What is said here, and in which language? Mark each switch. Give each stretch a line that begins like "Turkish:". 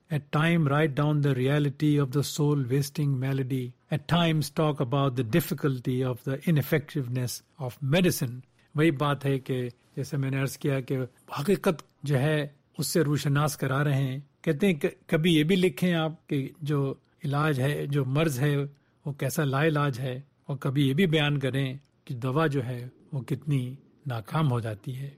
English: At time write down the reality of the soul wasting malady. At times talk about the difficulty of the ineffectiveness of medicine.
Urdu: وہی بات ہے کہ جیسے میں نے عرض کیا کہ حقیقت جو ہے اس سے روشناس کرا رہے ہیں. کہتے ہیں کہ کبھی یہ بھی لکھیں آپ کہ جو علاج ہے، جو مرض ہے وہ کیسا لا علاج ہے، اور کبھی یہ بھی بیان کریں کہ دوا جو ہے وہ کتنی ناکام ہو جاتی ہے.